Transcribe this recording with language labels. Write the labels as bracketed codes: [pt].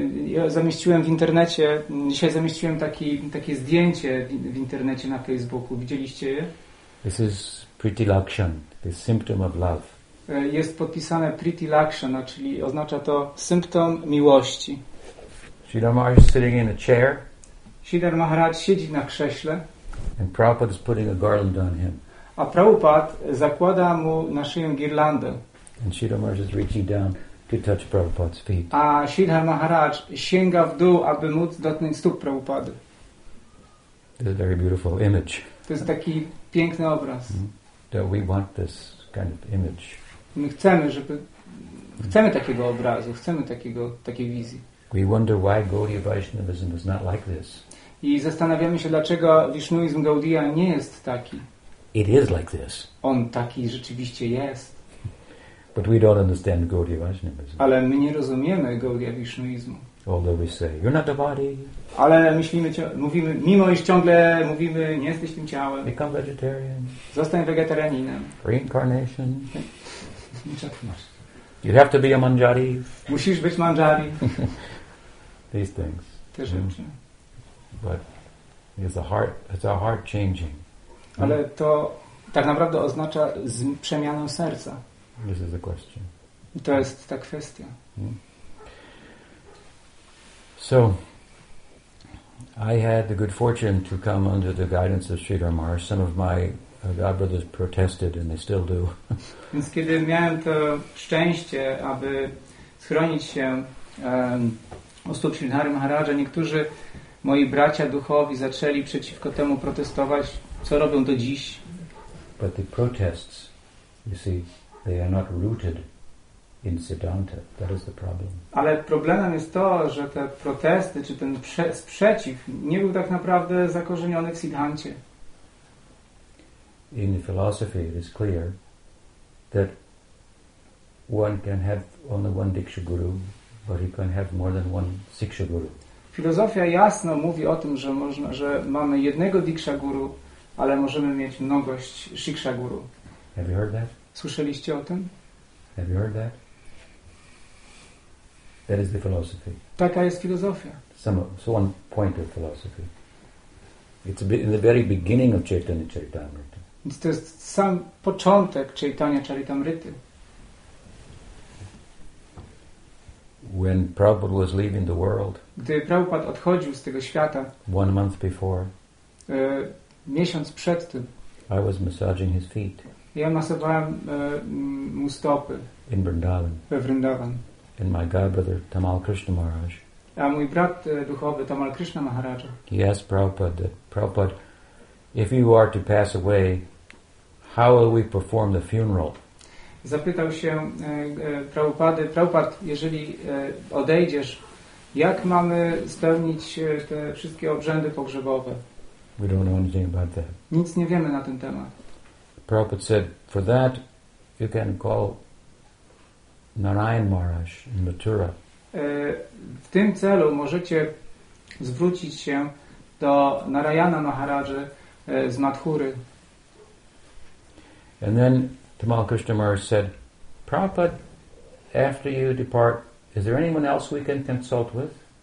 [pl] Ja zamieściłem w internecie, dzisiaj zamieściłem takie zdjęcie w internecie na Facebooku. Widzieliście je? [en] This is Priti Lakshan, the symptom of love. [pl] Jest podpisane Priti Lakshan, czyli oznacza to symptom miłości. [en] Sridhar Maharaj is sitting in a chair. [pl] Sridhar Maharaj siedzi na krześle. [en] And Prabhupada is putting a garland on him. [pl] A Prabhupada zakłada mu na szyję girlandę. [en] And Sridhar Maharaj is reaching down to touch Prabhupada's feet. [pl] A Sridhar Maharaj sięga w dół, aby móc dotknąć stóp Prabhupady. [en] This is a very beautiful image. [pl] To jest taki piękny obraz. [en] That we want this kind of image. [pl] My chcemy, żeby chcemy takiego obrazu, chcemy takiej wizji. [en] We wonder why Gaudiya Vaishnavism is not like this. [pl] I zastanawiamy się, dlaczego wisznuizm Gaudiya nie jest taki. [en] It is like this. [pl] On taki rzeczywiście jest. [en] But we don't understand Gaudiya Vaishnavism. [pl] Ale my nie rozumiemy Gaudiya Vishnuizmu. [en] Although we say, you're not the body. [pl] Ale myślimy, mówimy, mimo iż ciągle mówimy, nie jesteś tym ciałem. [en] Become vegetarian. [pl] Zostań wegetarianinem. [en] Reincarnation. [pl] Niczego masz. [en] You have to be a manjari. [pl] Musisz być manjari. [en] These things. [pl] Te rzeczy. [en] But it's a heart changing. [pl] Ale to tak naprawdę oznacza przemianę serca. [en] This is the question. [pl] To jest ta kwestia. [en] So I had the good fortune to come under the guidance of Sridhar Maharaj. Some of my God brothers protested, and they still do. [pl] Więc kiedy miałem to szczęście, aby schronić się u stóp Sridhara Maharaja, niektórzy moi bracia duchowi zaczęli przeciwko temu protestować, co robią do dziś. [en] But the protests, you see, they are not rooted in Siddhanta. That is the problem. [pl] Ale problemem jest to, że te protesty, czy ten sprzeciw, nie był tak naprawdę zakorzeniony w Siddhancie. [en] In philosophy, it is clear that one can have only one Diksha Guru, but he can have more than one Siksha Guru. [pl] Filozofia jasno mówi o tym, że można, że mamy jednego Diksha Guru, ale możemy mieć mnogość Siksha Guru. [en] Have you heard that? [pl] Słyszeliście o tym? [en] Have you heard that? That is the philosophy. [pl] Taka jest filozofia. [en] So one point of philosophy. It's a bit in the very beginning of Chaitanya Charitamrita. [pl] Więc to jest sam początek Chaitanya Charitamrity. [en] When Prabhupada was leaving the world, [pl] gdy Prabhupada odchodził z tego świata, [en] 1 month before, [pl] miesiąc przed tym, [en] I was massaging his feet. [pl] Ja masowałem mu stopy [en] in Vrindavan. [pl] We Vrindavan. [en] And my god brother Tamal Krishna Maharaj. [pl] A mój brat duchowy Tamal Krishna Maharaj. [en] Yes, Prabhupada. Prabhupada, if you are to pass away, how will we perform the funeral? [pl] Zapytał się Prabhupady, Prabhupad, jeżeli odejdziesz, jak mamy spełnić te wszystkie obrzędy pogrzebowe? [en] We don't know anything about that. [pl] Nic nie wiemy na ten temat. [en] Prabhupada said, for that you can call Narayan Maharaj in Mathura. [pl] W tym celu możecie zwrócić się do Narayana Maharaja z Mathury. [en] And then Tamal Krishna Maharaj said, Prabhupada, after you depart, is there anyone else we can consult with?